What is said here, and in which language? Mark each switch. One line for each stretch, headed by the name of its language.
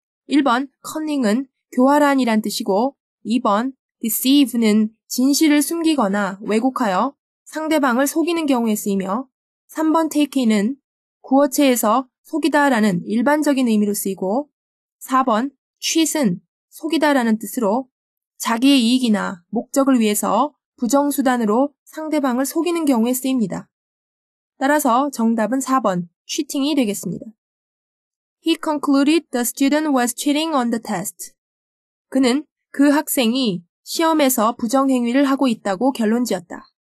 Korean: 1번 cunning은 교활한이란 뜻이고 2번 deceive는 진실을 숨기거나 왜곡하여 상대방을 속이는 경우에 쓰이며 3번 take in은 구어체에서 속이다 라는 일반적인 의미로 쓰이고 4번 cheat은 속이다 라는 뜻으로 자기의 이익이나 목적을 위해서 부정수단으로 상대방을 속이는 경우에 쓰입니다. 따라서 정답은 4번 cheating이 되겠습니다.
English: He concluded the student was cheating on the test.
Korean: 그는 그 학생이 시험에서 부정행위를 하고 있다고 결론지었다.